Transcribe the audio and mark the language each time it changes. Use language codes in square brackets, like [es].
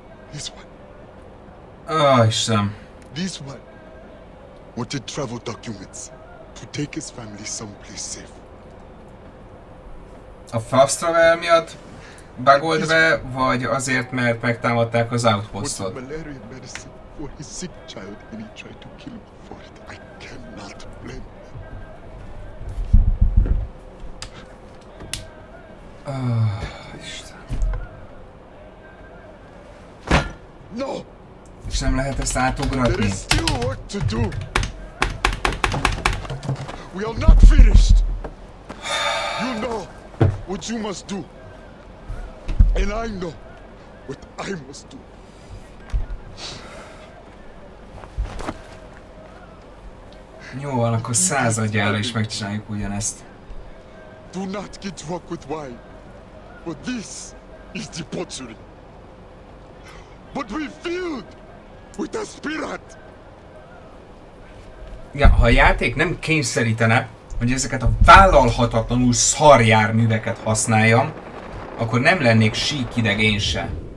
[en] This one. [hu] Istenem. [en] This one. What did travel documents? To take his family someplace safe. [hu] A fast travel miatt bagold be, vagy azért, mert megtámadták az outpostot? [en] Malaria medicine for his sick child and he tried to kill me for it. I cannot blame him. [hu] Isten. [en] No! [hu] És nem lehet ezt átugratni? [en] There is still work to do. We are not finished. You know what you must do. And I know what I must do. [hu] Jó, van, akkor századjára is megcsináljuk ugyanezt. [en] Do not get drunk with wine. For this is debauchery. But we filled with a spirit. [hu] Ja, ha a játék nem kényszerítene, hogy ezeket a vállalhatatlanul szarjárműveket használjam, akkor nem lennék sík ideg én se.